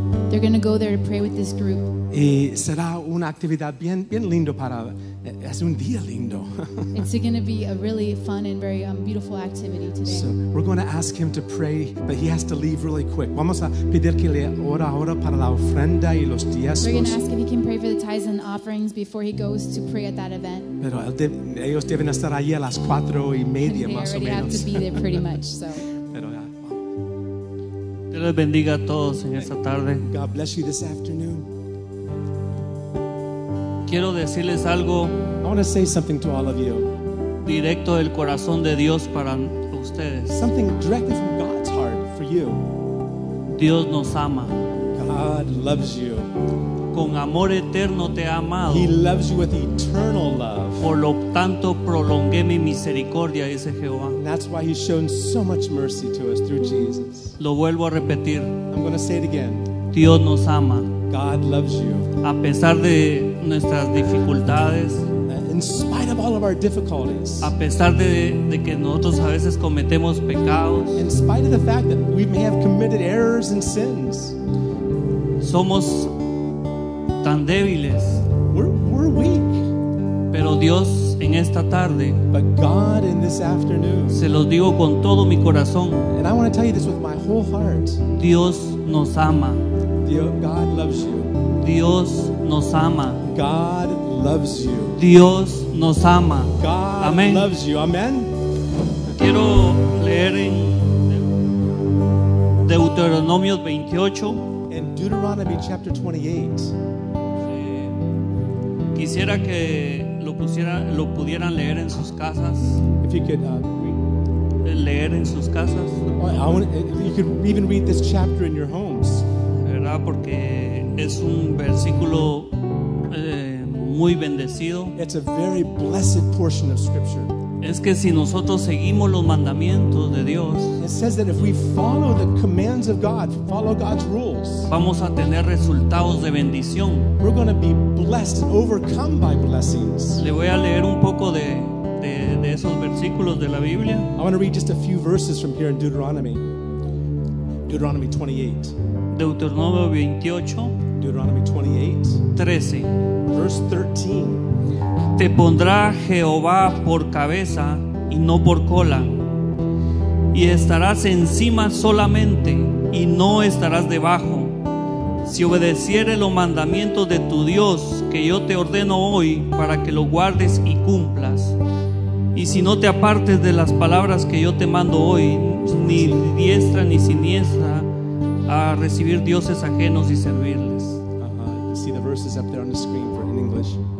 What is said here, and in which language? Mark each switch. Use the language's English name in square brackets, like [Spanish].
[English] They're going to go there to pray with this group. [Spanish] Y será una actividad bien, bien lindo para, es un día lindo. [English] It's going to be a really fun and very beautiful activity today. So we're going to ask him to pray, but he has to leave really quick. [Spanish] Vamos a pedir que le ora ahora para la ofrenda y los diezmos. [English] We're going to ask if he can pray for the tithes and offerings before he goes to pray at that event. [Spanish] Pero ellos deben estar allí a las cuatro y media, más o menos. [English] They already have to be there pretty much, so. [Spanish] Dios les bendiga a todos en esta tarde. [English] God bless you this afternoon. [Spanish] Quiero decirles algo. [English] I want to say something to all of you. [Spanish] Directo del corazón de Dios para ustedes. [English] Something directly from God's heart for you. [Spanish] Dios nos ama. [English] God loves you. [Spanish] Con amor eterno te ha amado. [English] He loves you with eternal love. [Spanish] Por lo tanto prolongué mi misericordia, dice Jehová. [English] And that's why he's shown so much mercy to us through Jesus. [Spanish] Lo vuelvo a repetir. [English] I'm going to say it again. [Spanish] Dios nos ama. [English] God loves you. [Spanish] A pesar de nuestras dificultades. [English] In spite of all of our difficulties. [Spanish] A pesar de que nosotros a veces cometemos pecados. [English] In spite of the fact that we may have committed errors and sins. [Spanish] Somos tan débiles. [English] We're weak. [Spanish] Pero Dios en esta tarde. [English] But God in this afternoon. [Spanish] Se los digo con todo mi corazón. [English] And I want to tell you this with my whole heart. [Spanish] Dios nos ama. [English] God loves you. [Spanish] Dios nos ama. [English] God loves you. [Spanish] Dios nos ama. [English] God Amen. Loves you. Amen. [Spanish] Quiero leer en Deuteronomio 28. [English] In Deuteronomy chapter 28. [Spanish] Quisiera que lo pusieran, lo pudieran leer en sus casas. [English] If you could [Spanish] leer en sus casas. [English] You could even read this chapter in your homes. [Spanish] ¿Verdad? Porque es un versículo muy bendecido. [English] It's a very blessed portion of scripture. [Spanish] Es que si nosotros seguimos los mandamientos de Dios, [English] it says that if we follow the commands of God, follow God's rules, [Spanish] vamos a tener resultados de bendición. [English] We're going to be blessed and overcome by blessings. [Spanish] Le voy a leer un poco de esos versículos de la Biblia. [English] I want to read just a few verses from here in Deuteronomy. Deuteronomy 28. [Spanish] Deuteronomio 28. [English] Deuteronomy 28. [Spanish] 13. [English] Verse 13. [Spanish] Te pondrá Jehová por cabeza y no por cola, y estarás encima solamente y no estarás debajo. Si obedecieres los mandamientos de tu Dios que yo te ordeno hoy para que lo guardes y cumplas, y si no te apartes de las palabras que yo te mando hoy, ni diestra ni siniestra, a recibir dioses ajenos y servirles. [English] See the verses up there on the screen for in English.